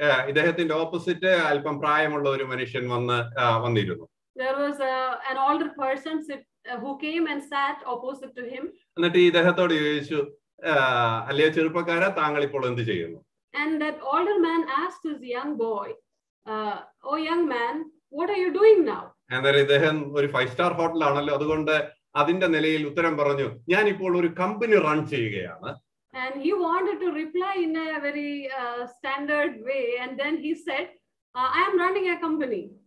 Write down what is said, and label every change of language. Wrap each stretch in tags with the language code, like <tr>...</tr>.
<ml>ഇദ്ദേഹത്തിന്റെ ഓപ്പോസിറ്റ് അല്പം പ്രായമുള്ള ഒരു മനുഷ്യൻ വന്നിരുന്നു.</ml> <en>There was an older person who came and sat opposite to him.</en> <ml>എന്നിട്ട് ഇദ്ദേഹത്തോട് ചോദിച്ചു, അല്ലയ ചെറുപ്പക്കാരൻ താങ്കൾ ഇപ്പോൾ എന്ത് ചെയ്യുന്നു?</ml> <en>And that older man asked his young boy, oh young man, what are you doing now? And there</en> <ml>ഇദ്ദേഹം ഒരു 5-star ഹോട്ടൽ ആണല്ലോ, അതുകൊണ്ട് അതിന്റെ നിലയിൽ ഉത്തരം പറഞ്ഞു, ഞാൻ ഇപ്പോൾ ഒരു കമ്പനി റൺ ചെയ്യുകയാണ്.</ml> <en>And he wanted to reply in a very standard way and then he said, I am running a company.</en>